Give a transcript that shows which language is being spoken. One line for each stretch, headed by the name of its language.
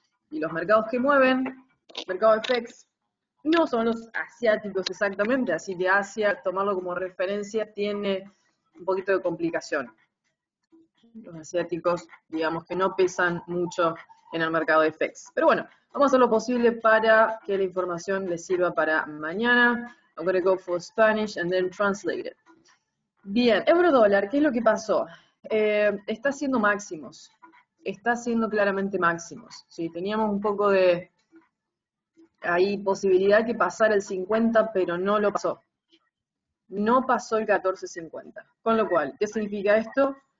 Spanish: Y los mercados que mueven, mercado FX, no son los asiáticos exactamente, así que Asia, tomarlo como referencia, tiene un poquito de complicación. Los asiáticos, digamos que no pesan mucho en el mercado FX. Pero bueno, vamos a hacer lo posible para que la información les sirva para mañana.
English: I'm going to go for Spanish and then translate it.
Spanish: Bien, euro dólar, ¿qué es lo que pasó? Está haciendo máximos. Está haciendo claramente máximos. Sí, teníamos un poco de ahí posibilidad que pasara el 50, pero no lo pasó. No pasó el 14.50. Con lo cual, ¿qué significa esto?